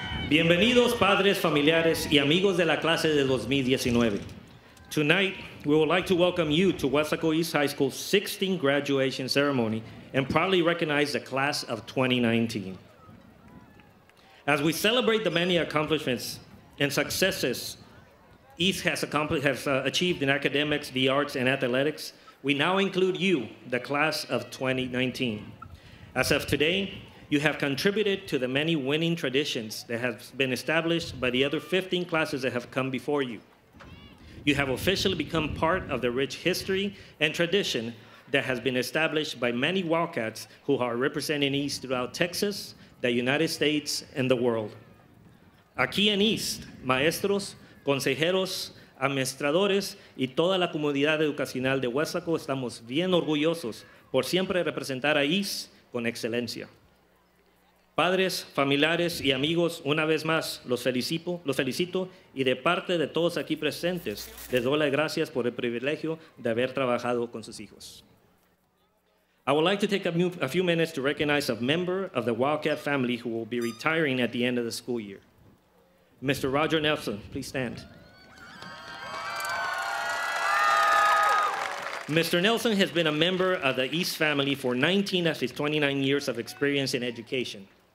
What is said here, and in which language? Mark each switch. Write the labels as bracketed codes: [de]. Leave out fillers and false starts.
[es] Bienvenidos, padres, familiares, y amigos de la clase de 2019. [en] Tonight, we would like to welcome you to Weslaco East High School's 16th graduation ceremony and proudly recognize the class of 2019. As we celebrate the many accomplishments and successes East has achieved in academics, the arts, and athletics, we now include you, the class of 2019. As of today, you have contributed to the many winning traditions that have been established by the other 15 classes that have come before you. You have officially become part of the rich history and tradition that has been established by many Wildcats who are representing East throughout Texas, the United States, and the world. [es] Aquí en East, maestros, consejeros, administradores y toda la comunidad educacional de Weslaco estamos bien orgullosos por siempre representar a East con excelencia. Padres, familiares y amigos, una vez más los felicito y de parte de todos aquí presentes les doy las gracias por el privilegio de haber trabajado con sus hijos. [en] I would like to take a few minutes to recognize a member of the Wildcat family who will be retiring at the end of the school year. Mr. Roger Nelson, please stand. Mr. Nelson has been a member of the East family for 19 of his 29 years of experience in education.